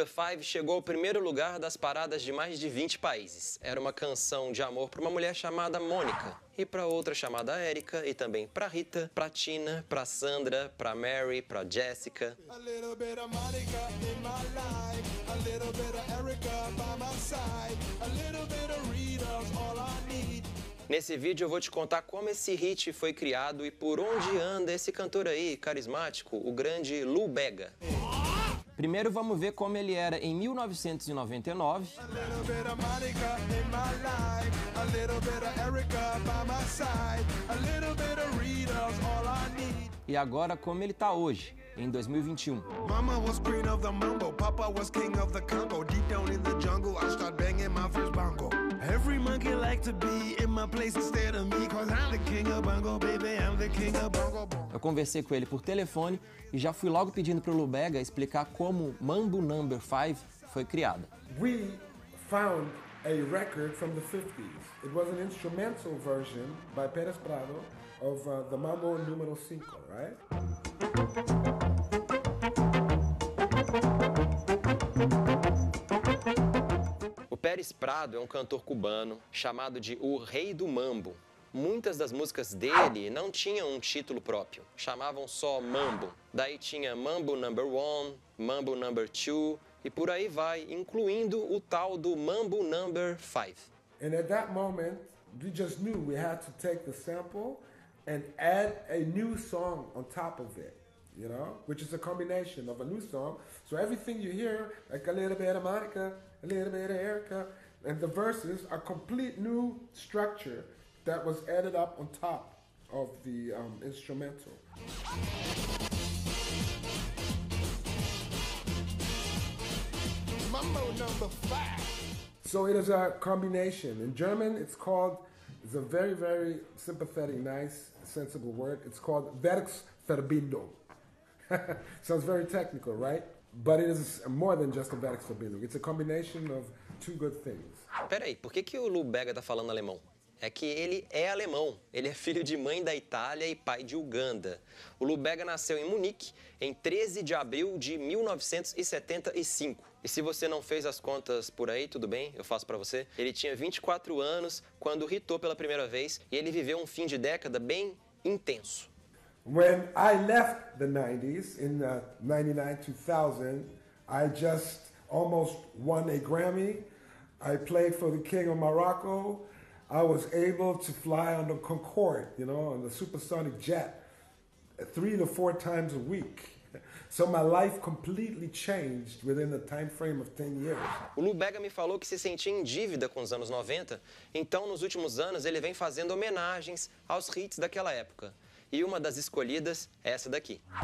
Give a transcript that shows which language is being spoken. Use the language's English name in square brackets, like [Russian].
[Portuguese] 5 chegou ao primeiro lugar das paradas de mais de 20 países. Era uma canção de amor para uma mulher chamada Mônica, e para outra chamada Érica, e também para Rita, para Tina, para Sandra, para Mary, para Jessica. [English] A little bit of Monica in my life, a little bit of Erica by my side, a little bit of Rita's all I need. [Portuguese] Nesse vídeo eu vou te contar como esse hit foi criado e por onde anda esse cantor aí, carismático, o grande Lou Bega. Primeiro vamos ver como ele era em 1999. E agora como ele tá hoje, em 2021. [English] Mama was queen of the mambo, papa was king of the Congo. Deep down in the jungle, I start banging my first bongo. Every monkey like to be in my place instead of me, cause I'm the king of bongo, baby, I'm the king of bongo. [Portuguese] Eu conversei com ele por telefone e já fui logo pedindo pro Lou Bega explicar como Mambo No. 5 foi criada. [English] We found a record from the 50s. It was an instrumental version by Perez Prado of the Mambo No. 5, right? [Portuguese] Pérez Prado é um cantor cubano chamado de O Rei do Mambo. Muitas das músicas dele não tinham um título próprio, chamavam só Mambo. Daí tinha Mambo No. 1, Mambo No. 2 e por aí vai, incluindo o tal do Mambo No. 5. [English] And at that moment, we just knew we had to take the sample and add a new song on top of it. You know, which is a combination of a new song. So everything you hear, like a little bit of Monica, a little bit of Erica, and the verses, a complete new structure that was added up on top of the instrumental. Mambo No. 5. So it is a combination. In German, it's called, it's a very, very sympathetic, nice, sensible word. It's called Werksverbindung. Sounds very technical, right? But it is more than just a Vex Fabinho. It's a combination of two good things. [Portuguese] Peraí, por que que o Lou Bega tá falando alemão? É que ele é alemão. Ele é filho de mãe da Itália e pai de Uganda. O Lou Bega nasceu em Munique em 13 de abril de 1975. E se você não fez as contas por aí, tudo bem, eu faço pra você. Ele tinha 24 anos quando hitou pela primeira vez e ele viveu um fim de década bem intenso. [English] When I left the 90s, in 99-2000, I just almost won a Grammy. I played for the King of Morocco. I was able to fly on the Concorde, you know, on the supersonic jet, 3 to 4 times a week. So my life completely changed within the time frame of 10 years. [Portuguese] O Lou Bega me falou que se sentia em dívida com os anos 90, então nos últimos anos ele vem fazendo homenagens aos hits daquela época. E uma das escolhidas é essa daqui.